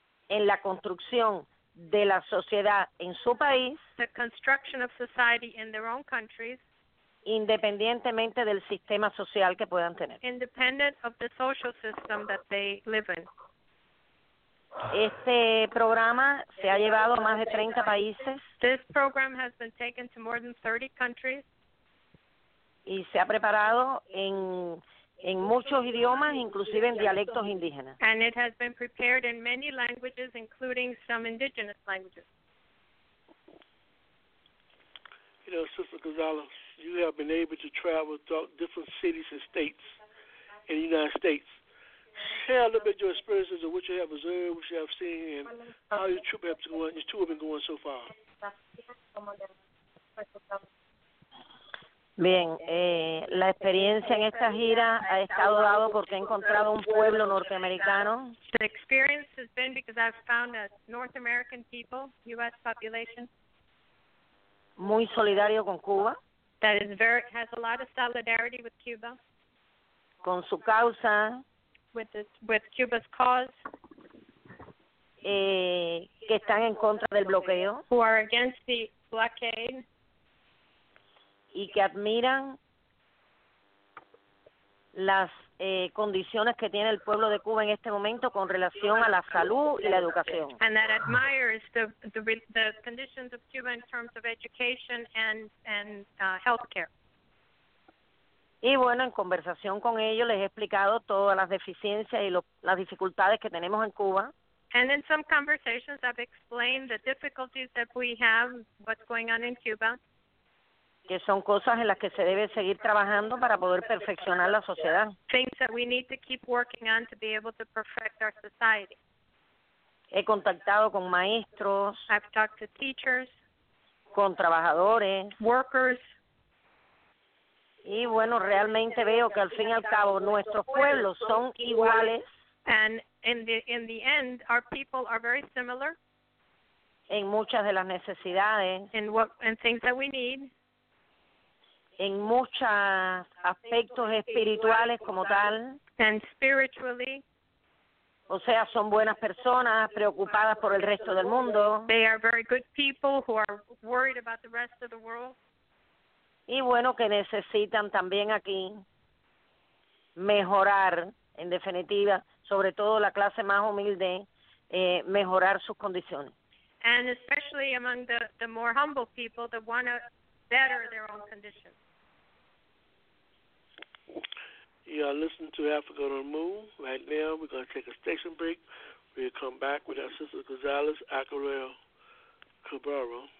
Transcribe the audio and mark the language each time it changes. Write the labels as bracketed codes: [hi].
[es] en la construcción de la sociedad en su país, [en] the construction of society in their own countries, [es] independientemente del sistema social que puedan tener, [en] independent of the social system that they live in. [es] Este programa se ha llevado a más de 30 países. [en] This program has been taken to more than 30 countries. [es] Y se ha preparado en muchos idiomas, inclusive en dialectos indígenas. [en] And it has been prepared in many languages, including some indigenous languages. You know, Sister Gonzalez, you have been able to travel to different cities and states in the United States. Share a little bit of your experiences of what you have observed, what you have seen, and how your trip has gone, your tour has been going so far. [es] Bien, la experiencia en esta gira ha estado dado porque he encontrado un pueblo norteamericano. [en] The experience has been because I've found a North American people, U.S. population, [es] muy solidario con Cuba. [en] That is very, has a lot of solidarity with Cuba. [es] Con su causa. [en] With Cuba's cause, [es] que están en contra del bloqueo, [en] who are against the blockade, [es] y que admiran las condiciones que tiene el pueblo de Cuba en este momento con relación a la salud y la educación. [en] And that admires the conditions of Cuba in terms of education and healthcare. [es] Y bueno, en conversación con ellos les he explicado todas las deficiencias y las dificultades que tenemos en Cuba. [en] And in some conversations I've explained the difficulties that we have, what's going on in Cuba. [es] Que son cosas en las que se debe seguir trabajando para poder perfeccionar la sociedad. [en] Things that we need to keep working on to be able to perfect our society. [es] He contactado con maestros. [en] I've talked to teachers. [es] Con trabajadores. [en] Workers. [es] Y bueno, realmente veo que al fin y al cabo nuestros pueblos son iguales. [en] And in the end, our people are very similar. [es] En muchas de las necesidades. [en] In things that we need. [es] En muchos aspectos espirituales como tal. [en] And spiritually. [es] O sea, son buenas personas preocupadas por el resto del mundo. [en] They are very good people who are worried about the rest of the world. [es] Y bueno, que necesitan también aquí mejorar, en definitiva, sobre todo la clase más humilde, mejorar sus condiciones. [en] And especially among the more humble people that want to better their own conditions. Yeah, listen to Africa on the Move right now. We're going to take a station break. We'll come back with our sister Gonzalez Acarel Cabrera.